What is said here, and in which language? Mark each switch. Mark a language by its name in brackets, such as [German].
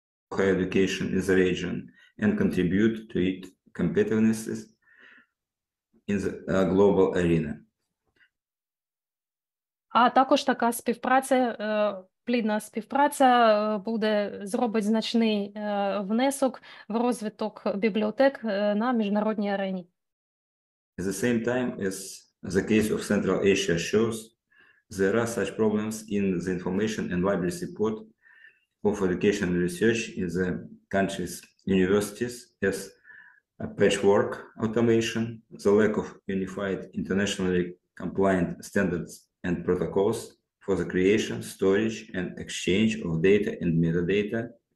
[English] Higher education in the region and contribute to its competitiveness in the global arena. [Ukrainian] А також така співпраця, плідна співпраця буде зробить значний внесок в розвиток бібліотек на міжнародній арені. [English] At the same time, as the case of Central Asia shows, there are such problems in the information and library support of education research in the country's universities as patchwork automation, the lack of unified internationally compliant standards and protocols for the creation, storage and exchange of data and metadata.